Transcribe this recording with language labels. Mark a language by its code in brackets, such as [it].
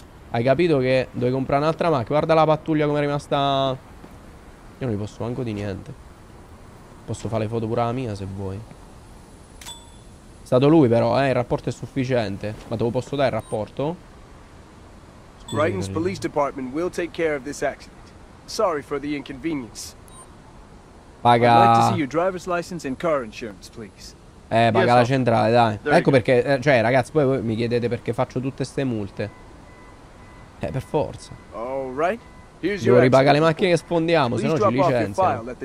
[it] Hai capito che dovevi comprare un'altra macchina. Guarda la pattuglia com'è rimasta. Io non li posso manco di niente. Posso fare le foto pure alla mia se vuoi. È stato lui però, il rapporto è sufficiente. Ma te lo posso dare il rapporto? Scusi, [en] Brighton's Police Department will take care of this accident. Sorry for the inconvenience. [it] Paga. [en] I'd like to see your driver's license and car insurance, please. [it] Paga la centrale, dai. Ecco perché, cioè, ragazzi, poi voi mi chiedete perché faccio tutte ste multe. Per forza. [en] All right. [it] Devo ripagare le macchine che sfondiamo, sennò ci licenziano.